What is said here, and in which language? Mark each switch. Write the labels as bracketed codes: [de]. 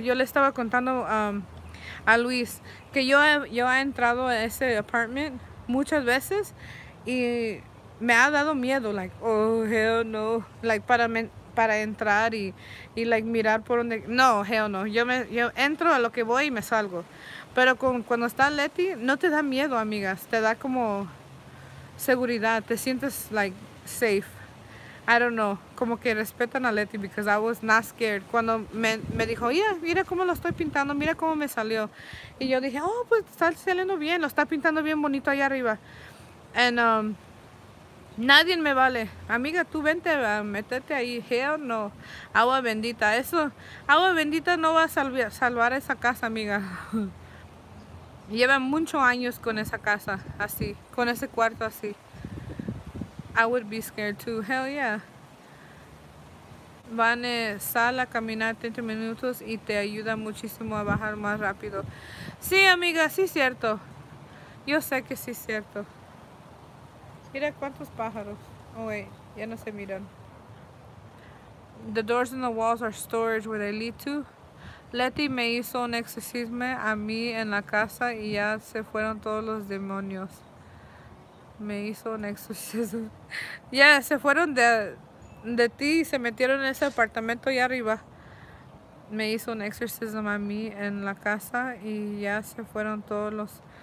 [es] Yo le estaba contando a Luis que yo he entrado a ese apartment muchas veces y me ha dado miedo, like, [en] oh, hell no, [es] like, para entrar y like mirar por donde, no, [en] hell no. [es] Yo entro a lo que voy y me salgo. Pero cuando está Letty, no te da miedo, amigas. Te da como seguridad. Te sientes like safe. [en] I don't know, [es] como que respetan a Letty, [en] because I was not scared. [es] Cuando me dijo, mira cómo lo estoy pintando, mira cómo me salió. Y yo dije, oh, pues está saliendo bien, lo está pintando bien bonito ahí arriba. And nadie me vale. Amiga, tú vente, métete ahí. [en] Hell no, [es] agua bendita. Eso, agua bendita no va a salvar esa casa, amiga. Lleva muchos años con esa casa, así, con ese cuarto así. [en] I would be scared too. Hell yeah. [es] Vane, sal a caminar 30 minutos y te ayuda muchísimo a bajar más rápido. Sí, amiga, sí es cierto. Yo sé que sí es cierto. Mira cuántos pájaros. [en] Oh, wait, [es] ya no se miran. [en] The doors and the walls are storage where they lead to. [es] Letty me hizo un exorcismo a mí en la casa y ya se fueron todos los demonios. Me hizo un exorcismo. Ya, yeah, se fueron de ti y se metieron en ese apartamento allá arriba. Me hizo un exorcismo a mí en la casa y ya se fueron todos los...